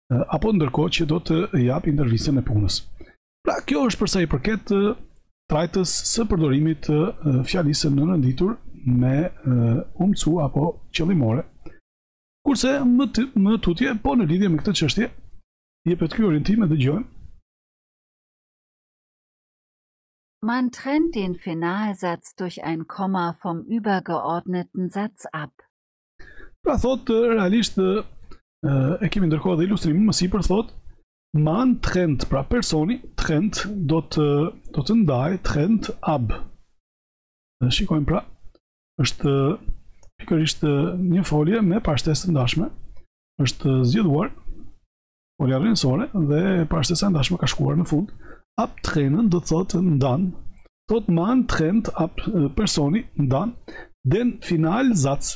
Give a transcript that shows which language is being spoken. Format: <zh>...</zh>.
<sq>Apo ndërkohë që do të jap intervistën e punës. Pra kjo është për sa i përket trajtës së përdorimit të fjalisë së nënënditur me umcu apo qëllimore. Kurse më tutje, po në lidhje me këtë çështje, jepet ky orientim e dëgjojmë.</sq> <de>Man trennt den Finalsatz durch ein Komma vom übergeordneten Satz ab.</de> <sq>Pra thot, realisht, e kemi ndërkohë dhe ilustrimin më sipër thot, man trennt, pra personi, trennt, do të ndaj, trennt, ab. Shikojmë pra, është pikërisht një folje me pashtesë të ndashme, është zgjedhuar, folja rrënësore, dhe pashtesa ndashme ka shkuar në fund, ab trennen, do të thotë ndanë, thot man trennt ab personi ndan den Finalsatz.</sq>